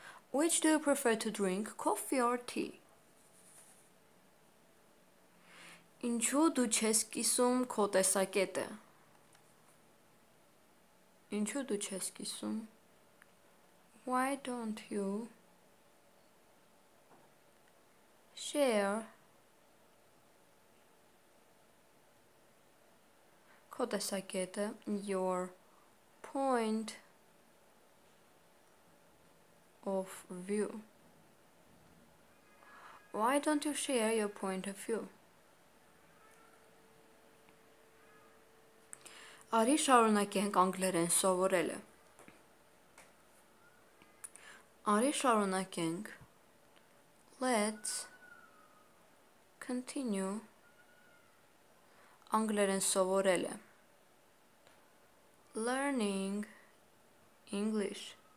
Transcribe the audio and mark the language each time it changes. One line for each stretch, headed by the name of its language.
English: Which do you prefer to drink, coffee or tea?
Armenian: Ինչու դու չես կիսում քո տեսակետը? Ինչու դու չես կիսում?
English: Why don't you share
Armenian: քո տեսակետը,
English: your point of view? Why don't you share your point of view?
Armenian: Արի շարունակենք անգլերեն սովորելը։ Արի շարունակենք։
English: Let's continue
Armenian: անգլերեն սովորելը։
English: Learning English.